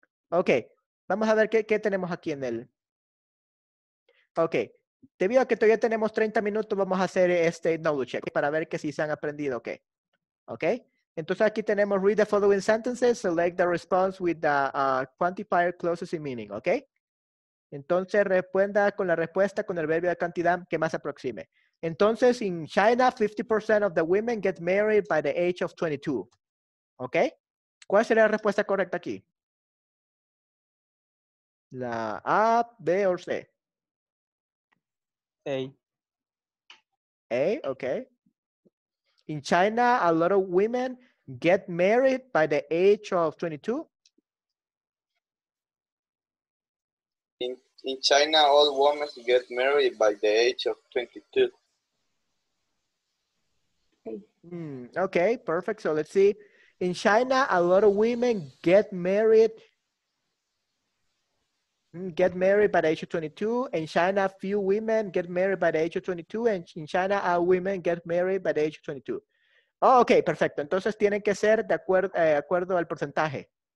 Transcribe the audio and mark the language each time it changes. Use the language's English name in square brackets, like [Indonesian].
[Spanish] Ok, vamos a ver qué tenemos aquí en el. Ok, debido a que todavía tenemos 30 minutos, vamos a hacer knowledge check para ver que si se han aprendido qué. Okay. [English] Ok, [Spanish] entonces aquí tenemos [English] read the following sentences, select the response with the quantifier closest in meaning, ok. [Spanish] Entonces responda con la respuesta con el verbo de cantidad que más aproxime. [English] Entonces, in China, 50% of the women get married by the age of 22. [Spanish] Ok, ¿cuál sería la respuesta correcta aquí? La A, B o C. A. [English] A, okay. In China, a lot of women get married by the age of 22. In China, all women get married by the age of 22. Okay, perfect. So let's see. In China, a lot of women get married. Get married by the age of 22. In China, few women get married by the age of 22. And in China, all women get married by the age of 22. [Spanish] Oh, okay, perfecto. Entonces, tienen que ser de acuerdo al porcentaje.